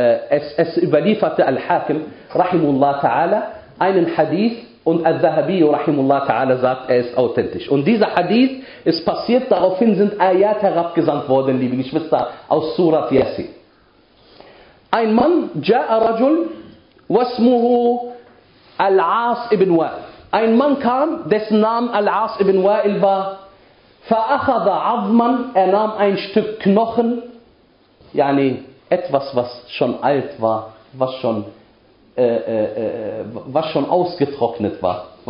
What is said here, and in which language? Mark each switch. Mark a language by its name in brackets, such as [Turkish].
[German] Es überlieferte Al-Hakim رحمه الله تعالى einen Hadith und الذهبي رحمه الله تعالى sagt, er ist authentisch. Und dieser Hadith ist passiert, daraufhin sind Ayat herabgesandt worden, liebe Geschwister, aus Surat Yasin. Ein Mann, [Arabic] جاء رجل واسمه العاص ابن وائل. [German] Ein Mann kam, dessen Name العاص ابن وائل war. [Arabic] فَأَخَذَ عَظْمًا, [German] er nahm ein Stück Knochen, yani etwas, was schon alt war, was schon ausgetrocknet war.